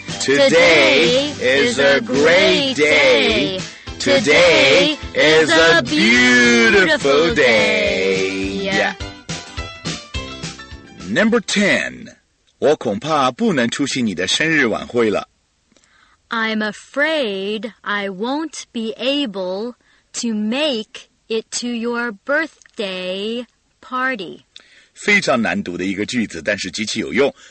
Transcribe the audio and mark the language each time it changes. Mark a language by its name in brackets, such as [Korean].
[English] Today is a great day. Today is a beautiful day. Yeah. Number 10. [Chinese] 我恐怕不能出席你的生日晚会了。 [English] I'm afraid I won't be able to make it to your birthday party. [Chinese] 非常难读的一个句子，但是极其有用。